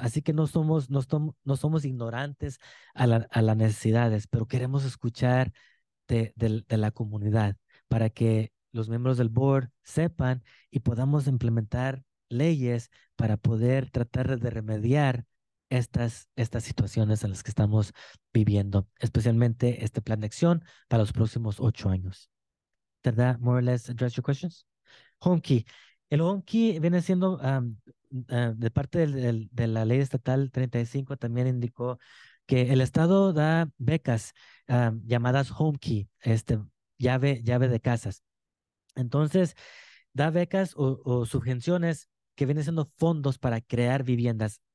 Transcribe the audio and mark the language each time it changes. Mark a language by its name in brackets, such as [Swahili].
[Spanish] Así que no somos ignorantes a las necesidades, pero queremos escuchar de la comunidad para que los miembros del board sepan y podamos implementar leyes para poder tratar de remediar estas situaciones en las que estamos viviendo, especialmente este plan de acción para los próximos 8 años. [English] Did that more or less address your questions? Home key. [Spanish] El home key viene siendo de parte de la ley estatal 35 también indicó que el estado da becas llamadas home key, llave de casas. Entonces, da becas o subvenciones que vienen siendo fondos para crear viviendas.